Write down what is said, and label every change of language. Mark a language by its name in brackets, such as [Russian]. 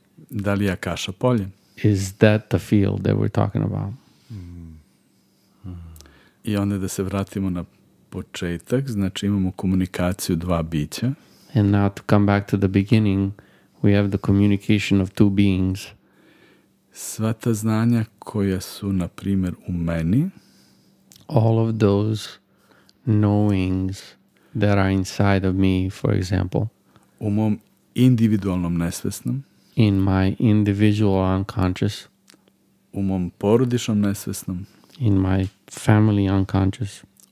[Serbian] Da li je akaša polje? [English] Is that the field that we're talking about? [Serbian] I onda da se vratimo na početak, znači imamo komunikaciju dva bića. [English] And now to come back to the beginning, we have the communication of two beings. [Serbian] Sva ta znanja koja su, na primjer, u meni. [English] All of those knowings that are inside of me, for example. [Serbian] U mom individualnom nesvesnom. [English] In my individual unconscious. [Serbian] U mom porodičnom nesvesnom. [English] In my family unconscious.